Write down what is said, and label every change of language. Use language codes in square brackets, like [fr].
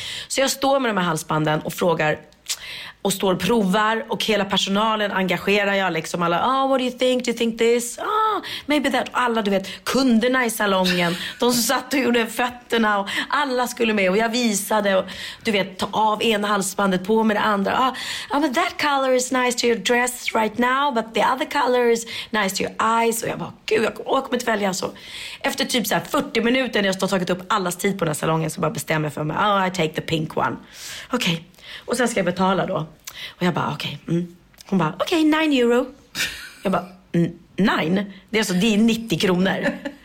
[sv] Så jag står med de här halsbanden och frågar och står och provar och hela personalen engagerar jag liksom, alla, [en] "Oh, what do you think this? Ah, oh, maybe that." [sv] Alla, du vet, kunderna i salongen, de som satt och gjorde fötterna och alla skulle med och jag visade och, du vet, ta av ena halsbandet, på med det andra. [en] "Ah, oh, but that color is nice to your dress right now, but the other color is nice to your eyes." [sv] Och jag bara, gud, jag kommer inte välja. Så efter typ så här 40 minuter när jag har tagit upp allas tid på den här salongen, så bara bestämmer jag för mig, [en] "Oh, I take the pink one." [sv] Okej. Okay. Och sen ska jag betala då. Och jag bara, okej. Okay. Mm. Hon bara, okej, 9 euro. Jag bara, 9? Det är alltså, det är 90 kronor.